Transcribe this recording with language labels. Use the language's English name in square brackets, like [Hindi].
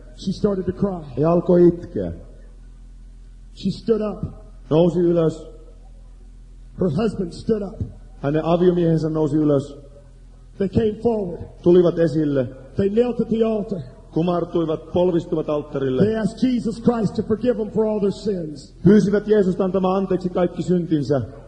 [English] She started to cry. [Finnish] Ja alkoi itkeä. [English] She stood up. [Finnish] Nousi ylös. [English] Her husband stood up. [Finnish] Hänen aviomiehensä nousi ylös. [English] They came forward. [Finnish] Tulivat esille. [English] They knelt at the altar. [Finnish] kumartuivat, polvistuivat alttarille. [English] They asked Jesus Christ to forgive them for all their sins. [Finnish] Pyysivät Jeesusta antamaan anteeksi kaikki syntinsä.